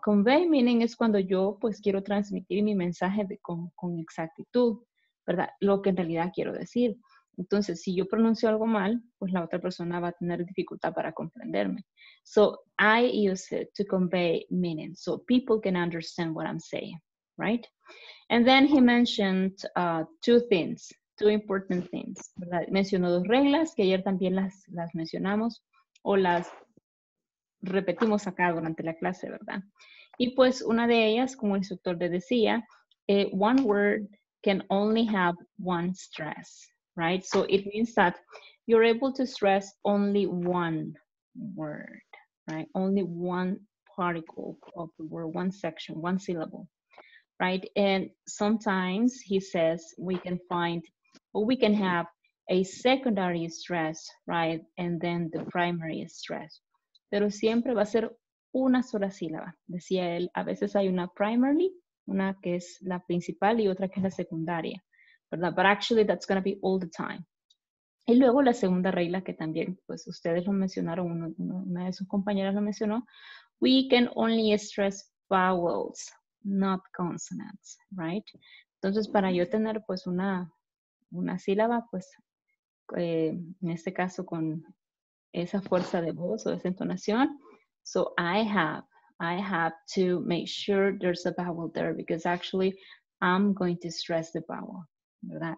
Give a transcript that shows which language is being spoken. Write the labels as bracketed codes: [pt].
[es] Convey meaning es cuando yo, pues, quiero transmitir mi mensaje con exactitud, ¿verdad? Lo que en realidad quiero decir. Entonces, si yo pronuncio algo mal, pues la otra persona va a tener dificultad para comprenderme. [en] So, I use it to convey meaning so people can understand what I'm saying. Right? And then he mentioned two things, two important things. [es] ¿Verdad? Mencionó dos reglas que ayer también las mencionamos o las repetimos acá durante la clase, ¿verdad? Y pues una de ellas, como el instructor le decía, [en] one word can only have one stress, right? So it means that you're able to stress only one word, right? Only one particle of the word, one section, one syllable. Right, and sometimes he says we can find, or we can have a secondary stress, right, and then the primary stress. [es] Pero siempre va a ser una sola sílaba, decía él. A veces hay una primary, una que es la principal y otra que es la secundaria, ¿verdad? [en] But actually that's going to be all the time. [es] Y luego la segunda regla que también, pues ustedes lo mencionaron, una de sus compañeras lo mencionó, [en] we can only stress vowels. Not consonants, right? [es] Entonces, para yo tener, pues, una sílaba, pues, en este caso, con esa fuerza de voz o esa entonación, [en] so I have to make sure there's a vowel there because actually I'm going to stress the vowel, [es] ¿verdad?